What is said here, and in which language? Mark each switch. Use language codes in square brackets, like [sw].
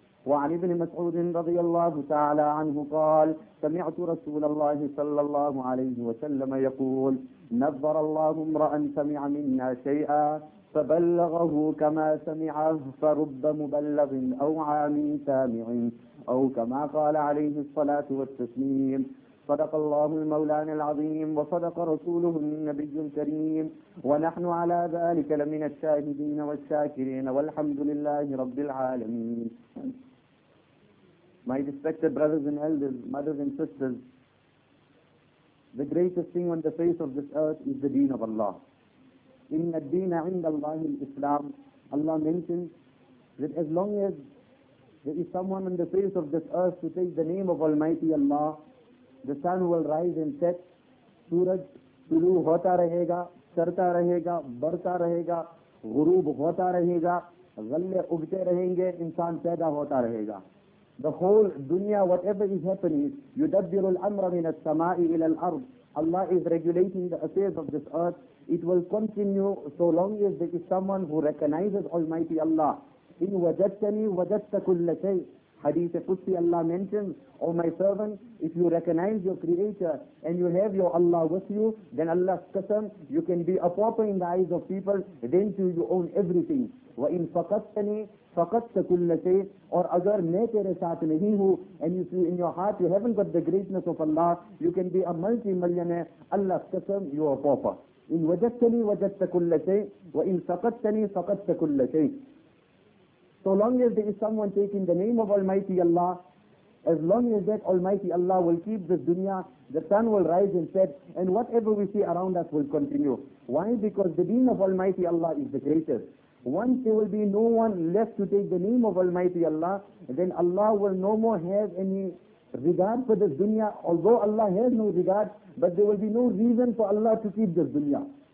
[ar] وعن ابن مسعود رضي الله تعالى عنه قال: سمعت رسول الله صلى الله عليه وسلم يقول: نظر الله امرأ سمع منا شيئا فبلغه كما سمعه، فرب مبلغ أو عام سامع، أو كما قال عليه الصلاة والتسليم. صدق الله المولان العظيم، وصدق رسوله النبي الكريم، ونحن على ذلك لمن الشاهدين والشاكرين، والحمد لله رب العالمين. [en] My respected brothers and elders, mothers and sisters, the greatest thing on the face of this earth is the deen of Allah. [ar] إن الدين عند الله الإسلام. [en] Allah mentions that as long as there is someone on the face of this earth to take the name of Almighty Allah, the sun will rise and set, [ur] suraj tulu hota rahega, [en] charta rahega, barta rahega, ghuroob hota rahega, ghalle ugte rahenge, insan paida hota rahega. The whole dunya, whatever is happening, [ar] yudabbiru al-amra min as-sama'i ila al-ard. [en] Allah is regulating the affairs of this earth. It will continue so long as there is someone who recognizes Almighty Allah. [ar] In wajadtani wajadta kulla shay. [en] Hadith Qudsi, Allah mentions, O my servant, if you recognize your creator and you have your Allah with you, then Allah's qasam, you can be a pauper in the eyes of people, then too you own everything. [ar] Wa in faqadtani faqadta kulla shay. [en] Or [ur] agar main tere saath nahi hu, [en] and you see in your heart you haven't got the greatness of Allah, you can be a multi-millionaire. Allah's qasam, you are a pauper. [ar] إن وجدتني وجدت كل شيء وإن فقدتني فقدت كل شيء. [en] So long as there is someone taking the name of Almighty Allah, as long as that Almighty Allah will keep this dunya, the sun will rise and set, and whatever we see around us will continue. Why? Because the deen of Almighty Allah is the greatest. Once there will be no one left to take the name of Almighty Allah, then Allah will no more have any regard for this dunya, although Allah has no regard, but there will be no reason for Allah to keep this dunya.